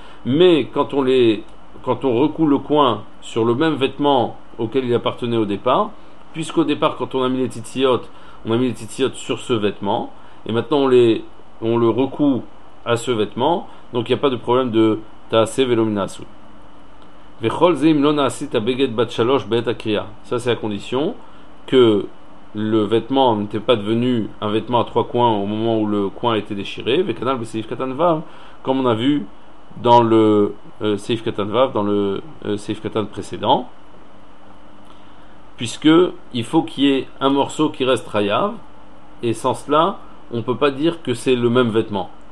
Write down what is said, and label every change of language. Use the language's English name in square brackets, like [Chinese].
[French] Mais quand on recoud le coin sur le même vêtement auquel il appartenait au départ, puisqu'au départ quand on a mis les tzitziot, on a mis les tzitziot sur ce vêtement, et maintenant on le recoud à ce vêtement, donc il n'y a pas de problème de [Hebrew] תעשה ולא מן העשוי. וכל זה אם לא נעשית בגד בת שלוש בעת הקריאה. [French] Ça c'est la condition que le vêtement n'était pas devenu un vêtement à trois coins au moment où le coin a été déchiré. [Hebrew] וכנ"ל בסעיף קטן ו, [French] comme on a vu dans le סעיף קטן ו, dans le סעיף קטן précédent, puisque il faut qu'il y ait un morceau qui reste chayav, et sans cela on ne peut pas dire que c'est le même vêtement.